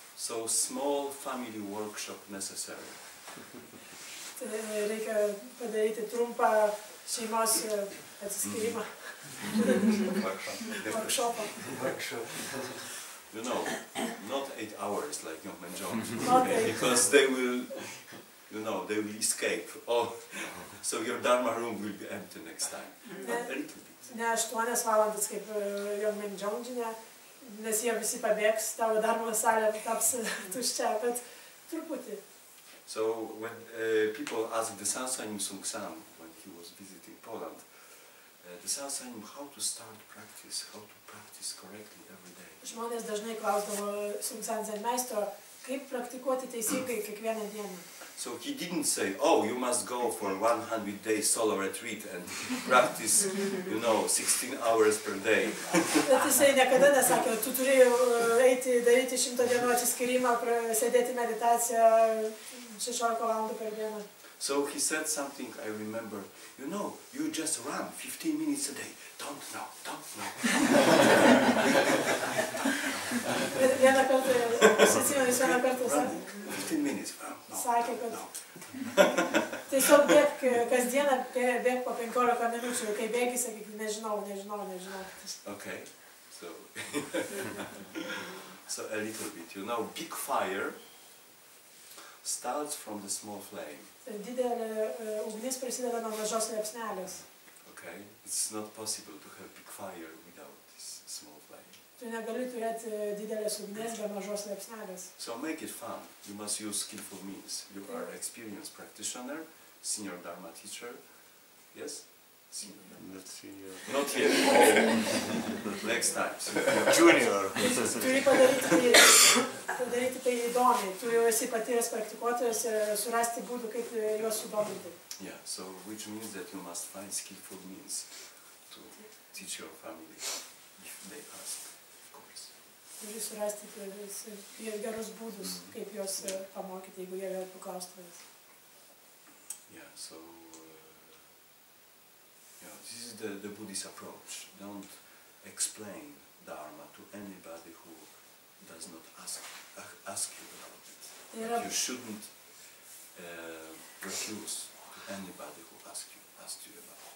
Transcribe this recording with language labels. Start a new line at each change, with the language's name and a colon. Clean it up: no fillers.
English: So small family workshop necessary.
Lithuanian: Reikia padaryti trumpą šeimos atsiskyrimą. Workshopą.
English: Workshop. You know, not 8 hours like Yom and John. Because they will, you know, they will escape. Oh, so your dharma room will be empty next time.
Lithuanian: Ne 8 valandas kaip Yom and John, nes jie visi pabėgs, tavo dharma salė taps tuščia, bet truputį.
English: So when people ask the Sansanim Sungsam, when he was visiting Poland, the Sansanim, how to start practice, how to practice correctly every day.
Lithuanian: Žmonės dažnai klausdavo Sungsam Zen Meistro, kaip praktikuoti teisingai kiekvieną dieną.
English: So he didn't say, oh, you must go for 100 days solo retreat and practice, you know, 16 hours per day.
Lithuanian: Bet jisai niekada nesakė, tu turi eiti daryti 100 dienų atsiskyrimą, sėdėti meditaciją 16 valandų per dieną.
English: So he said something I remember, you know, you just run 15 minutes a day, don't know, don't know.
Lithuanian: Vieną kartą, aš atsimenu, jis vieną kartą sakė.
English: 15 minutes, no.
Lithuanian: Sakė, kad tiesiog bėg, kasdieną bėg po 15 minučių, kai bėgi, sakyk, nežinau.
English: Okay, so, so a little bit, you know, big fire starts from the small flame.
Lithuanian: Didelė ugnis prasideda nuo mažos liepsnelės.
English: Okay, it's not possible to have big fire without this small flame.
Lithuanian: Tu negali turėti didelės ugnis be mažos liepsnelės.
English: So make it fun. You must use skillful means. You are experienced practitioner, senior dharma teacher. Yes? Senior. Not senior. Not yet. Next time. Junior.
Lithuanian: Turi padaryti tyrimus. Padaryti tai įdomiai. Tu jau esi patyręs praktikuotojas, surasti būdų, kaip juos sudominti.
English: Yeah, so which means that you must find skillful means to teach your family if they ask, of course.
Lithuanian: Turi surasti gerus būdus, kaip juos pamokyti, jeigu jie vėl paklaustų.
English: Yeah, so yeah, this is the Buddhist approach. Don't explain dharma to anybody who does not ask you about it. Yeah. You shouldn't refuse to anybody who asks you about it.